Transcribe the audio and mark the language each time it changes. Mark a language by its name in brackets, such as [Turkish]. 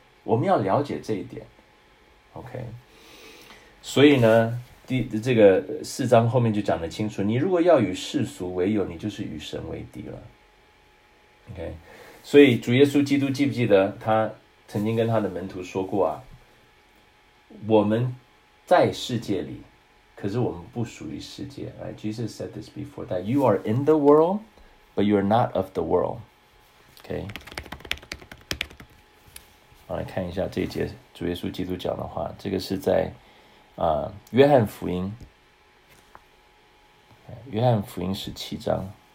[Chinese] 我们要了解这一点。OK， 所以呢，这个四章后面就讲得清楚，你如果要与世俗为友，你就是与神为敌了。 OK， 所以主耶稣基督记不记得他曾经跟他的门徒说过啊，我们在世界里，可是我们不属于世界。 [English] Right? Jesus said this before, that you are in the world, but you are not of the world. [Chinese] OK， 我来看一下这一节主耶稣基督讲的话，这个是在约翰福音，约翰福音十七章，